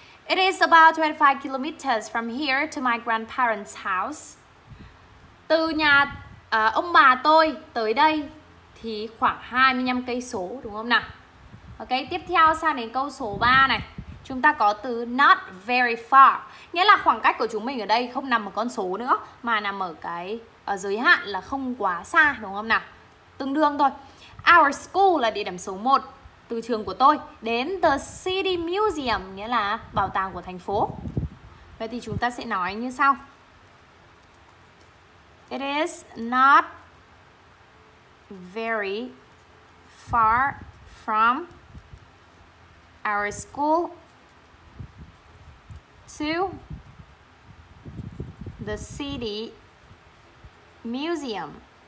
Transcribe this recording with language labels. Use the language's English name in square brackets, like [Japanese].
[English] It is about 25 kilometers from here to my grandparents' house. [Vietnamese] Từ nhà ông bà tôi tới đây thì khoảng 25 cây số, đúng không nào? Ok, tiếp theo sang đến câu số 3 này. Chúng ta có từ [English] not very far, [Vietnamese] nghĩa là khoảng cách của chúng mình ở đây không nằm ở con số nữa, mà nằm ở cái giới hạn là không quá xa, đúng không nào? Tương đương thôi. [English] Our school [Vietnamese] là địa điểm số 1. Từ trường của tôi đến [English] the city museum, [Vietnamese] nghĩa là bảo tàng của thành phố. Vậy thì chúng ta sẽ nói như sau. [English] It is not very far from our school to the city museum.